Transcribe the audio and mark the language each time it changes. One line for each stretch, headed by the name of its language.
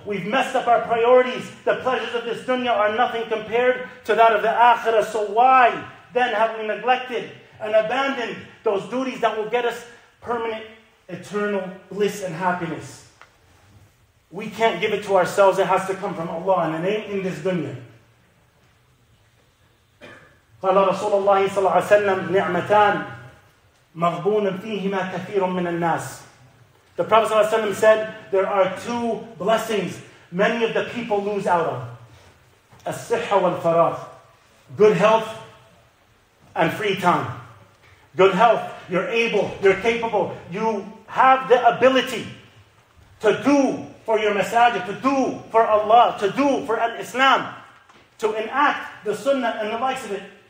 English: We've messed up our priorities. The pleasures of this dunya are nothing compared to that of the akhirah. So why then have we neglected and abandoned those duties that will get us permanent, eternal bliss and happiness? We can't give it to ourselves. It has to come from Allah, and it ain't in this dunya.
Arabic: قال رسول الله صلى الله عليه وسلم نعمتان مغبون فيهما كثير من الناس.
English: The Prophet ﷺ said, there are two blessings many of the people lose out of.
Arabic: As-sihha wal-faragh.
English: Good health and free time. Good health, you're able, you're capable, you have the ability to do for your masajid, to do for Allah, to do for al-Islam, to enact the sunnah and the likes of it.